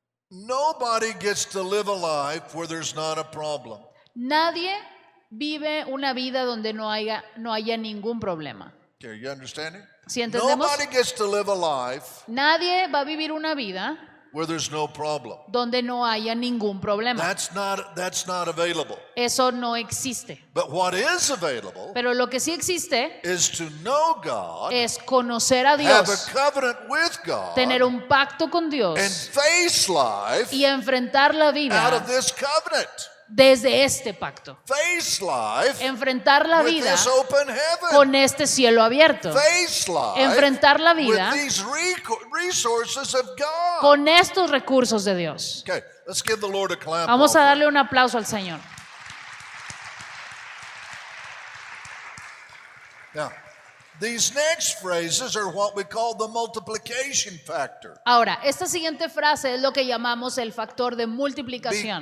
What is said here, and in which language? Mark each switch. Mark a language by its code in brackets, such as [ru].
[en] Nobody gets to live a life where there's not a problem. [es] Nadie vive una vida donde no haya ningún problema. [en] Okay, are you understanding? [es] ¿Sí entendemos? [en] Nobody gets to live a life. [es] Nadie va a vivir una vida [en] where there's no problem. [es] Donde no haya ningún problema. [en] That's not available. [es] Eso no existe. [en] But what is available? [es] Pero lo que sí existe [en] is to know God. [es] Es conocer a Dios. [en] Have a covenant with God. [es] Tener un pacto con Dios. [en] And face life. [es] Y enfrentar la vida. [en] Out of this covenant. [es] desde este pacto. [en] Face life, [es] enfrentar la vida [en] with this open heaven. [es] Con este cielo abierto. [en] Face life, [es] enfrentar la vida [en] with these resources of God. [es] Con estos recursos de Dios. [en] Okay, let's give the Lord a clap. [es] Vamos a darle un aplauso al Señor. [en] Now, these next phrases are what we call the multiplication factor. [es] Ahora, esta siguiente frase es lo que llamamos el factor de multiplicación.